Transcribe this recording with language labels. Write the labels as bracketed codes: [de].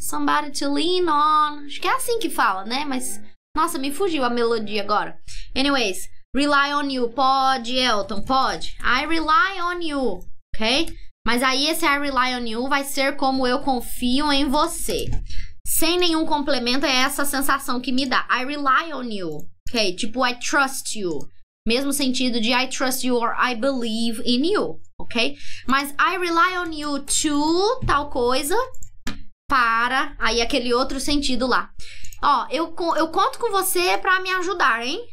[en] Somebody to lean on. [pt] Acho que é assim que fala, né? Mas, nossa, me fugiu a melodia agora. [en] Anyways, rely on you. [pt] Pode, Elton, pode. [en] I rely on you, ok? [pt] Mas aí esse I rely on you vai ser como eu confio em você. Sem nenhum complemento, é essa sensação que me dá. [en] I rely on you. Ok? Tipo, I trust you. [pt] Mesmo sentido de [en] I trust you or I believe in you. [pt] Ok? [en] Mas I rely on you to tal coisa para... [pt] Aí, aquele outro sentido lá. Ó, eu conto com você pra me ajudar, hein?